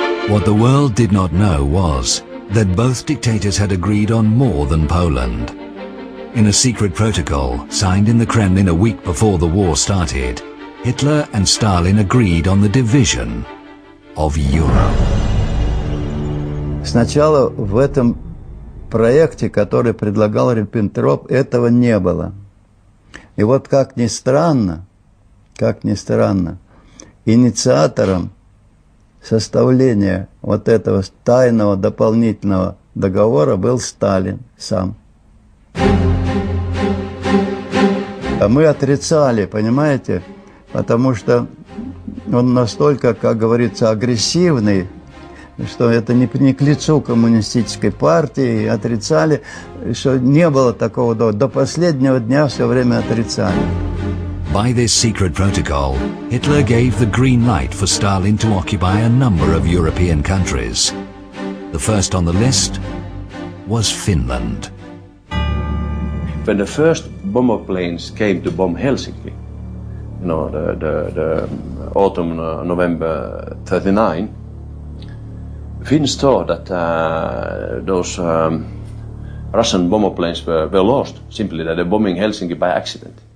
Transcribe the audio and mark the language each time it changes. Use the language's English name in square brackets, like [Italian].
[English] What the world did not know was that both dictators had agreed on more than Poland. In a secret protocol signed in the Kremlin a week before the war started, Hitler and Stalin agreed on the division of Europe. [Russian] Сначала в этом проекте, который предлагал Риббентроп, этого не было. И вот как ни странно, инициатором составления вот этого тайного дополнительного договора был Сталин сам. Мы отрицали, понимаете, потому что он настолько, как говорится, агрессивный, что это не к лицу коммунистической партии, отрицали, что не было такого до последнего дня, все время отрицали. [English] By this secret protocol, Hitler gave the green light for Stalin to occupy a number of European countries. The first on the list was Finland. When the first bomber planes came to bomb Helsinki, you know, the autumn, November 39, Finns thought that those Russian bomber planes were lost, simply that they're bombing Helsinki by accident.